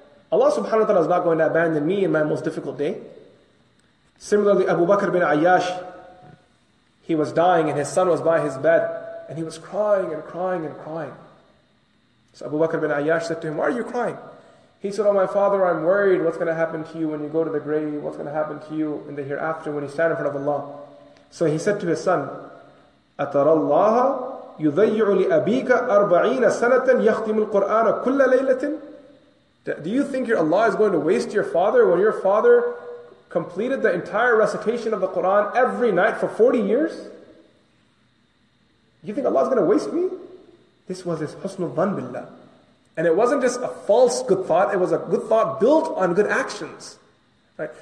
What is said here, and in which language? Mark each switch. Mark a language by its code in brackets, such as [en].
[en] Allah subhanahu wa ta'ala is not going to abandon me in my most difficult day. Similarly, Abu Bakr bin Ayyash, he was dying and his son was by his bed and he was crying and crying and crying. So Abu Bakr bin Ayyash said to him, why are you crying? He said, oh my father, I'm worried what's going to happen to you when you go to the grave, what's going to happen to you in the hereafter when you stand in front of Allah. So he said to his son, [ar] أَتَرَى اللَّهَ يُذَيِّعُ لِأَبِيكَ 40 سَنَةً يَخْتِمُ الْقُرْآنَ كُلَّ لَيْلَةٍ. [en] Do you think your Allah is going to waste your father when your father completed the entire recitation of the Qur'an every night for 40 years? You think Allah is going to waste me? This was his husnul dhan billah. And it wasn't just a false good thought, it was a good thought built on good actions. Right.